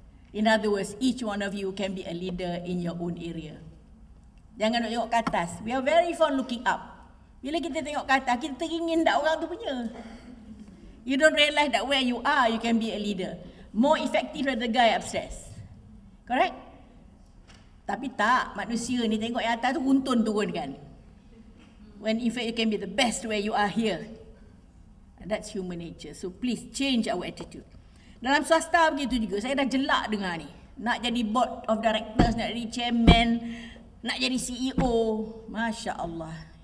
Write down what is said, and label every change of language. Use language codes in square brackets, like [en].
[en] In other words, each one of you can be a leader in your own area. [ms] Jangan nak tengok ke atas. [en] We are very fond looking up. [ms] Bila kita tengok ke atas, kita teringin dah orang tu punya. [en] You don't realize that where you are, you can be a leader. More effective than the guy upstairs. Correct? [ms] Tapi tak, manusia ni tengok yang atas tu runtun turun kan. [en] When in fact you can be the best where you are here. That's human nature. So please change our attitude. [ms] Dalam swasta begitu juga, saya dah jelak dengar ni. Nak jadi board of directors, nak jadi chairman, nak jadi CEO. Masya Allah.